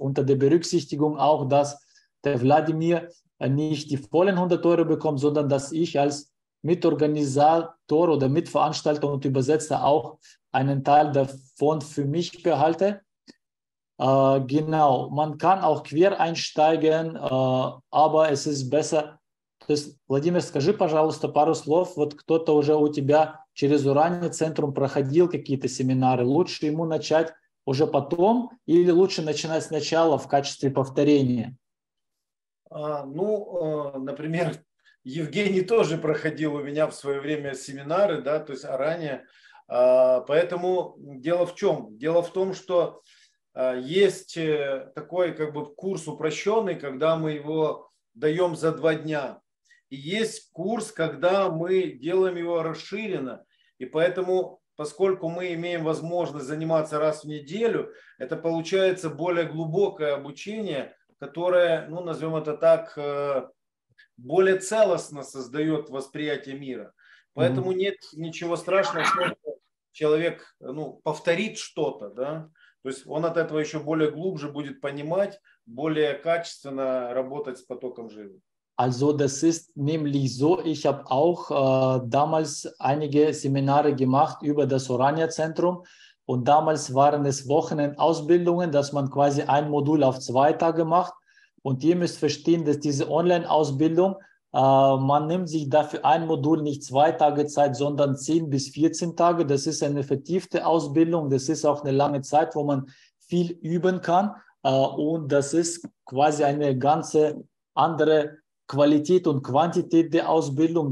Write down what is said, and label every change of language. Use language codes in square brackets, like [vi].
[de] Unter der Berücksichtigung auch, dass der Wladimir nicht die vollen 100 Euro bekommt, sondern dass ich als Mitorganisator oder Mitveranstalter und Übersetzer auch einen Teil davon für mich behalte. Genau, man kann auch quer einsteigen, aber es ist besser. [ru] То есть, Владимир, скажи, пожалуйста, пару слов. Вот кто-то уже у тебя через Уральный центр проходил какие-то семинары. Лучше ему начать уже потом или лучше начинать сначала в качестве повторения? Ну, например, Евгений тоже проходил у меня в свое время семинары, да, то есть ранее. Поэтому дело в чем? Дело в том, что есть такой как бы курс упрощенный, когда мы его даем за 2 дня. И есть курс, когда мы делаем его расширенно. И поэтому, поскольку мы имеем возможность заниматься раз в неделю, это получается более глубокое обучение, которое, ну, назовем это так, более целостно создает восприятие мира. Поэтому нет ничего страшного, что человек, ну, повторит что-то, да? То есть он от этого еще более глубже будет понимать, более качественно работать с потоком жизни. [de] Also das ist nämlich so, ich habe auch damals einige Seminare gemacht über das Urania-Zentrum und damals waren es Wochenendausbildungen, dass man quasi ein Modul auf 2 Tage macht und ihr müsst verstehen, dass diese Online-Ausbildung, man nimmt sich dafür ein Modul nicht 2 Tage Zeit, sondern 10 bis 14 Tage, das ist eine vertiefte Ausbildung, das ist auch eine lange Zeit, wo man viel üben kann und das ist quasi eine ganze andere Qualität und Quantität der Ausbildung.